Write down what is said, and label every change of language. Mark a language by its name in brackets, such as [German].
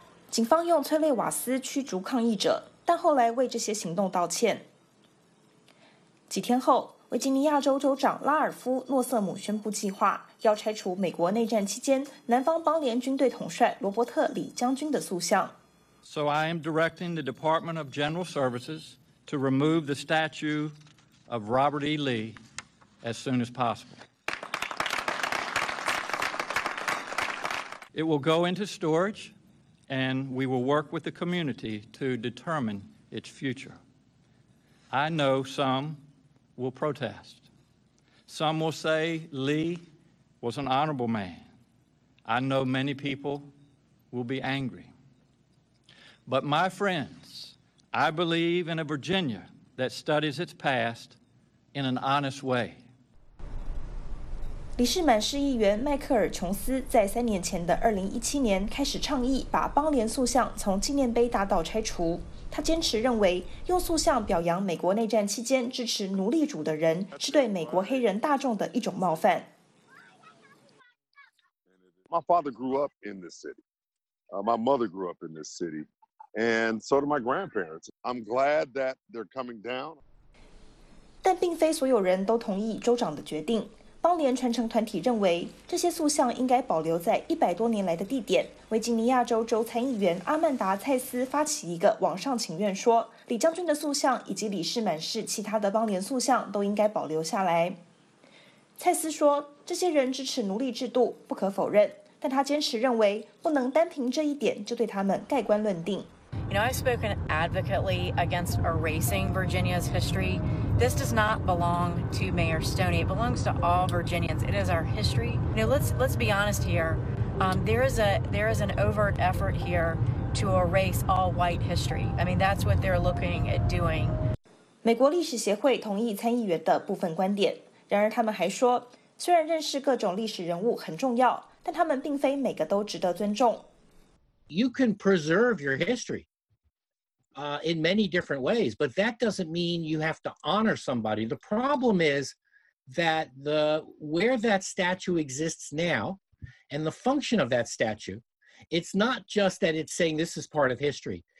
[Chinese] 警方用催泪瓦斯驱逐抗议者，但后来为这些行动道歉。几天后，维吉尼亚州州长拉尔夫·诺瑟姆宣布计划要拆除美国内战期间南方邦联军队统帅罗伯特·李将军的塑像。 [English] So I am directing the Department of General Services to remove the statue of Robert E. Lee as soon as possible. It will go into storage. And we will work with the community to determine its future. I know some will protest. Some will say Lee was an honorable man. I know many people will be angry. But my friends, I believe in a Virginia that studies its past in an honest way. [Chinese] 里士满市议员迈克尔·琼斯在三年前的2017年开始倡议把邦联塑像从纪念碑大道拆除。他坚持认为，用塑像表扬美国内战期间支持奴隶主的人是对美国黑人大众的一种冒犯。 [English] My father grew up in this city. My mother grew up in this city. And so do my grandparents. I'm glad that they're coming down. [Chinese] 但并非所有人都同意州长的决定。邦联传承团体认为，这些塑像应该保留在100多年来的地点。维吉尼亚州州参议员阿曼达·蔡斯发起一个网上请愿，说李将军的塑像以及里士满市其他的邦联塑像都应该保留下来。蔡斯说，这些人支持奴隶制度不可否认，但他坚持认为不能单凭这一点就对他们盖棺论定。 [English] You know, I've spoken advocately against erasing Virginia's history. This does not belong to Mayor Stoney. It belongs to all Virginians. It is our history. You know, let's be honest here. There is an overt effort here to erase all white history. I mean, that's what they're looking at doing. [Chinese] 美国历史协会同意参议员的部分观点，然而他们还说，虽然认识各种历史人物很重要，但他们并非每个都值得尊重。 [English] You can preserve your history, in many different ways, but that doesn't mean you have to honor somebody. The problem is that the where that statue exists now, and the function of that statue, it's not just that it's saying this is part of history.